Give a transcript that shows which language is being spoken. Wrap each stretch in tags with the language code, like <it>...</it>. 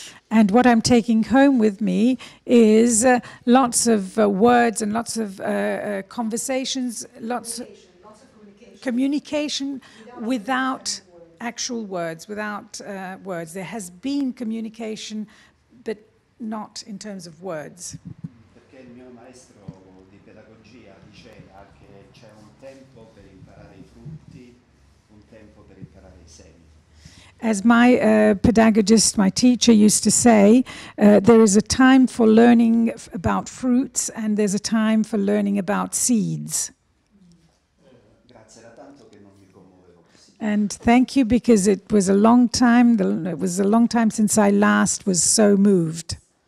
<en>And what I'm taking home with me is lots of words and lots of conversations, lots of communication without actual words. There has been communication, but not in terms of words.</en> <it>Perché il mio maestro di pedagogia diceva che c'è un tempo per imparare I frutti, un tempo per imparare I semi.</it> <en>As my pedagogist, my teacher, used to say, there is a time for learning about fruits and there's a time for learning about seeds.</en> <it>Grazie, era tanto che non mi commuovevo.</it> <en>And thank you, because it was a long time since I last was so moved.</en>